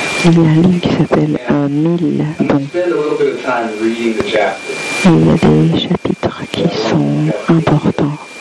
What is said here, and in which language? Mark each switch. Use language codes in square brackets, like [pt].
[fr] Il y a un livre qui s'appelle Un Mille. [en] I'm going to spend a little bit of time reading the chapters. [fr] Il y a des chapitres qui sont importants.